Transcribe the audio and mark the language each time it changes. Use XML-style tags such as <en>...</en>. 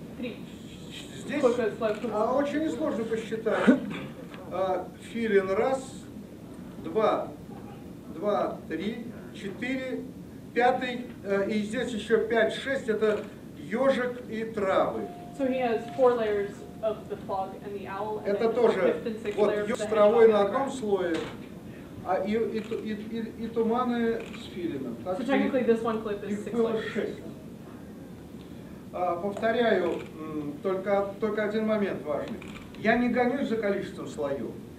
<ru>Три. Здесь? Очень сложно посчитать. Филин раз. Два, три, четыре, пятый, и здесь еще пять, шесть, это ежик и травы.</ru> <en>So he has four layers of the fog and the owl. And</en> <ru>это тоже, вот, ежик с травой на одном слое, а и туманы с филином.</ru> <en>So technically this one clip is six layers.</en> <ru>Повторяю, только один момент важный. Я не гонюсь за количеством слоев.</ru>